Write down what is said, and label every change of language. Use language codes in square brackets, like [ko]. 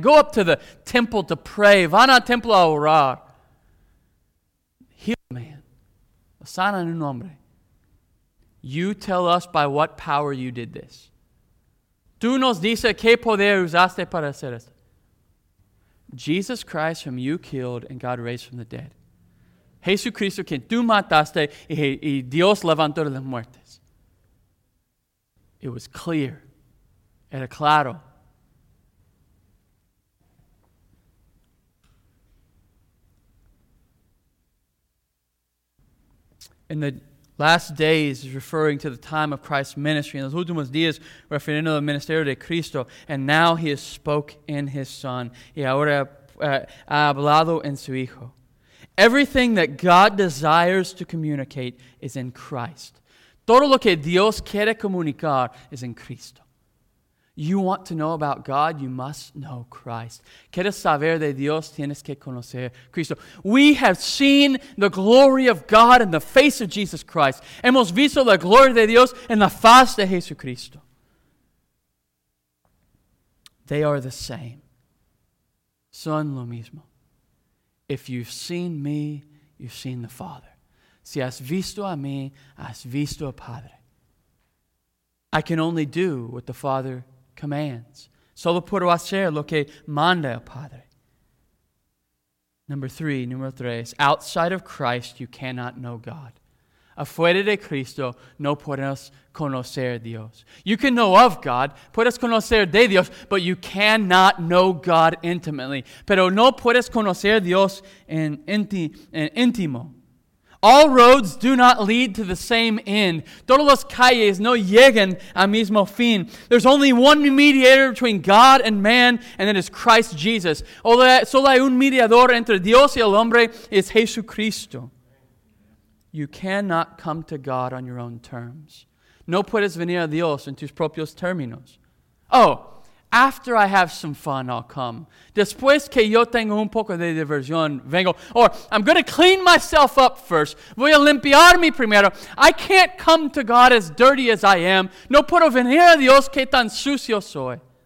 [en] They go up to the temple to pray. [es] Van al templo a orar. [en] Heal a man. [es] Sana en un hombre. [en] You tell us by what power you did this. [es] Tú nos dices qué poder usaste para hacer esto. [en] Jesus Christ, whom you killed and God raised from the dead. [es] Jesucristo, quien tú mataste y Dios levantó de las muertes. [en] It was clear. [es] Era claro. [en] In the last days, referring to the time of Christ's ministry. [es] En los últimos días, refiriendo al ministerio de Cristo. [en] And now he has spoke in his son. [es] Y ahora ha hablado en su hijo. [en] Everything that God desires to communicate is in Christ. [es] Todo lo que Dios quiere comunicar es en Cristo. [en] You want to know about God, you must know Christ. [es] Quieres saber de Dios, tienes que conocer Cristo. [en] We have seen the glory of God in the face of Jesus Christ. [es] Hemos visto la gloria de Dios en la faz de Jesucristo. [en] They are the same. [es] Son lo mismo. [en] If you've seen me, you've seen the Father. [es] Si has visto a mí, has visto a Padre. [en] I can only do what the Father commands. [es] Solo puedo hacer lo que manda el Padre. Número tres. [en] Outside of Christ, you cannot know God. [es] Afuera de Cristo, no podemos conocer Dios. [en] You can know of God, [es] puedes conocer de Dios, [en] but you cannot know God intimately. [es] Pero no puedes conocer Dios en íntimo. [en] All roads do not lead to the same end. [es] Todas las calles no llegan al mismo fin. [en] There's only one mediator between God and man, and that is Christ Jesus. [es] Solo hay un mediador entre Dios y el hombre, es Jesucristo. [en] You cannot come to God on your own terms. [es] No puedes venir a Dios en tus propios términos. [en] Oh, After I have some fun, I'll come. [es] Después que yo tengo un poco de diversión, vengo. [en] Or, I'm going to clean myself up first. [es] Voy a limpiarme primero. [en] I can't come to God as dirty as I am. [es] No puedo venir a Dios que tan sucio soy.